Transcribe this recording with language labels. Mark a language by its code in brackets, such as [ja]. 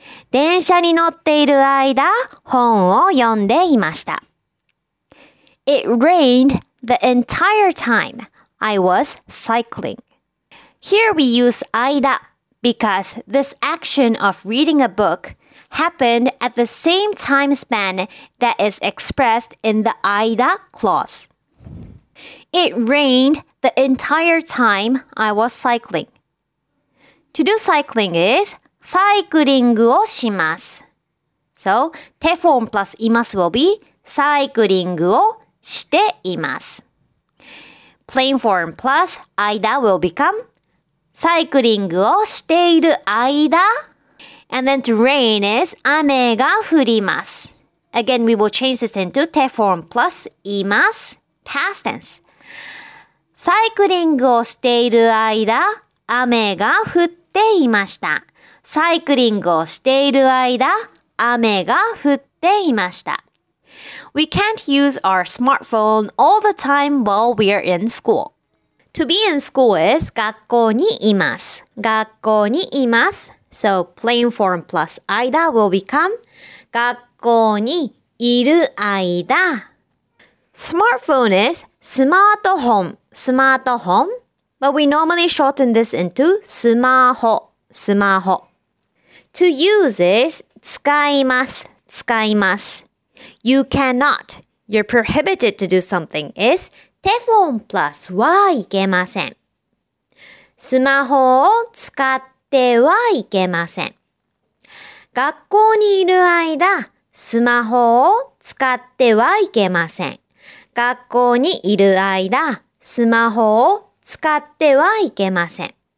[ja] 電車に乗っている間、本を読んでいました。電車に乗っている間、本を読んでいました。 [en] It rained the entire time I was cycling. Here we use aida because this action of reading a book happened at the same time span that is expressed in the aida clause. It rained the entire time I was cycling. To do cycling is [ja] サイクリングをします。 [en] So, te form plus imasu will be cycling [ja] をしています。 [en] Plain form plus aida will become cycling [ja] をしている間。 [en] And then to rain is [ja] 雨が降ります。 [en] Again, we will change this into te form plus imasu, past tense. [ja] サイクリングをしている間、雨が降っていました。サイクリングをしている間、雨が降っていました。 [en] We can't use our smartphone all the time while we are in school. To be in school is [ja] 学校にいます。学校にいます。 [en] So, plain form plus 間 will become [ja] 学校にいる間。 [en] Smartphone is スマートフォン、 [ja] スマートフォン。 [en] But we normally shorten this into スマホ、 [ja] スマホ。 [en] To use is 使います、 [ja] 使います。 [en] You cannot, you're prohibited to do something is [ja] テフォンプラスはいけません。スマホを使ってはいけません。学校にいる間、スマホを使ってはいけません。学校にいる間、スマホを使ってはいけません。